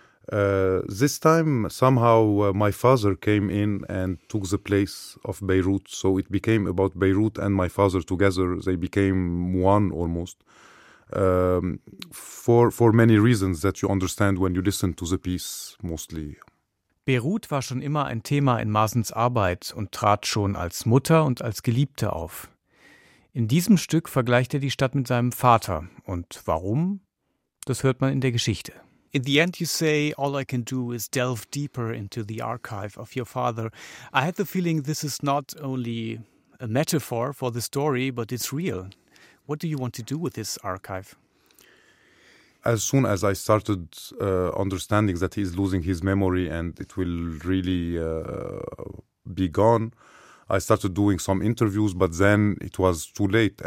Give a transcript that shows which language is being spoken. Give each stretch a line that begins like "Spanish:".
English: This time, somehow, my father came in and took the place of Beirut. So it became about Beirut and my father together. They became one almost. For many reasons that you understand when you listen to the piece mostly.
German: Beirut war schon immer ein Thema in Mazens Arbeit und trat schon als Mutter und als Geliebte auf. In diesem Stück vergleicht die Stadt mit seinem Vater. Und warum? Das hört man in der Geschichte.
English: In the end you say, all I can do is delve deeper into the archive of your father. I had the feeling this is not only a metaphor for the story, but it's real. What do you want to do with this archive? As soon as I started understanding that he is losing his memory and it will really be gone, I started doing some interviews, but then it was too late.